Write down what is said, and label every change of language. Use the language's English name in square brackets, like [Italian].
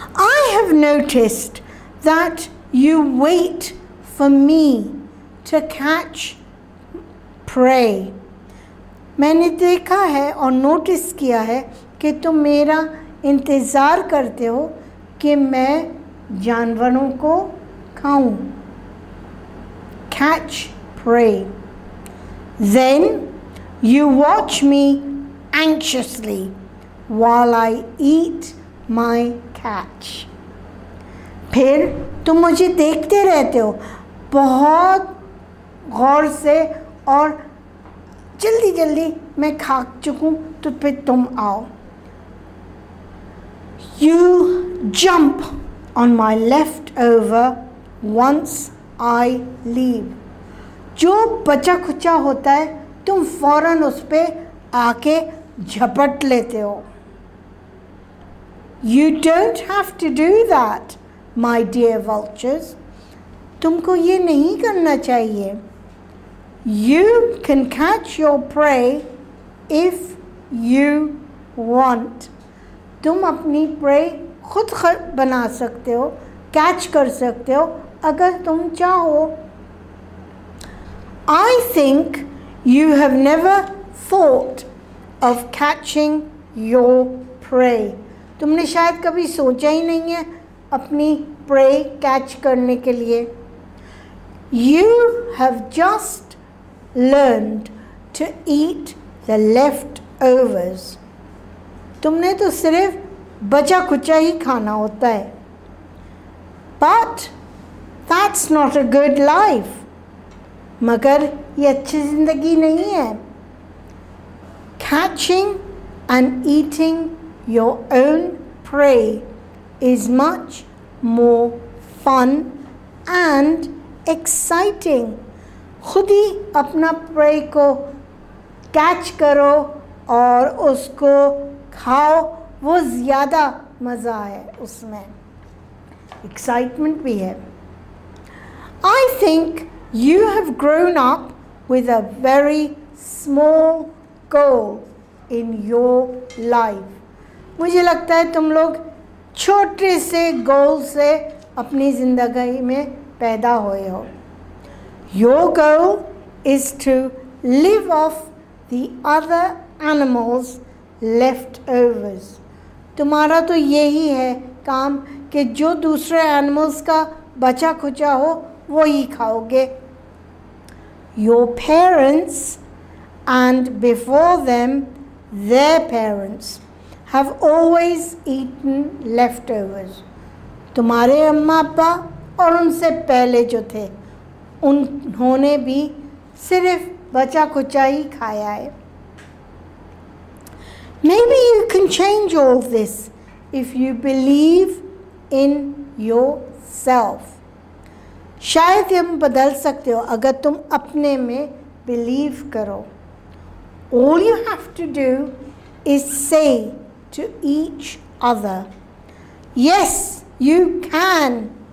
[English] I have noticed that you wait for me to catch prey. [Hindi] मैंने देखा है और notice किया है कि तुम मेरा इंतज़ार करते हो कि मैं जानवरों को खाऊं. [English] Catch prey. Then you watch me anxiously while I eat my catch. [Hindi] फिर तुम मुझे देखते रहते हो बहुत गौर से और जल्दी जल्दी मैं खा चुकूं तो फिर तुम आओ. [English] You jump on my leftover once I leave. [Hindi] जो बचा खुचा होता है तुम फौरन उस पे आके झपट लेते हो. [English] You don't have to do that, my dear vultures. [Hindi] तुमको ये नहीं करना चाहिए. [English] You can catch your prey if you want. [Hindi] तुम अपनी प्रे खुद बना सकते हो, कैच कर सकते हो अगर तुम चाहो. [English] I think you have never thought of catching your prey. [Hindi] तुमने शायद कभी सोचा ही नहीं है अपनी प्रे कैच करने के लिए. [English] You have just learned to eat the leftovers. [Hindi] तुमने तो सिर्फ बचा कुचा ही खाना होता है. [English] But that's not a good life. [Hindi] मगर ये अच्छी ज़िंदगी नहीं है. [English] Catching and eating your own prey is much more fun and exciting. [Hindi] खुद ही अपना प्रे को कैच करो और उसको खाओ वो ज़्यादा मज़ा है उसमें. Excitement भी है. [English] I think you have grown up with a very small goal in your life. [Hindi] मुझे लगता है तुम लोग छोटे से गोल से अपनी ज़िंदगी में पैदा हुए हो. [English] Your goal is to live off the other animals leftovers. [Hindi] तुम्हारा तो यही है काम कि जो दूसरे एनिमल्स का बचा खुचा हो वो ही खाओगे. [English] Your parents and before them their parents have always eaten leftovers. [Hindi] तुम्हारे अम्मा अप्पा और उनसे पहले जो थे उन्होंने भी सिर्फ बचा खुचा ही खाया है. [English] Maybe you can change all this if you believe in yourself. [Hindi] Shayad hum badal sakte ho agar tum apne mein believe karo. [English] All you have to do is say to each other, yes, you can.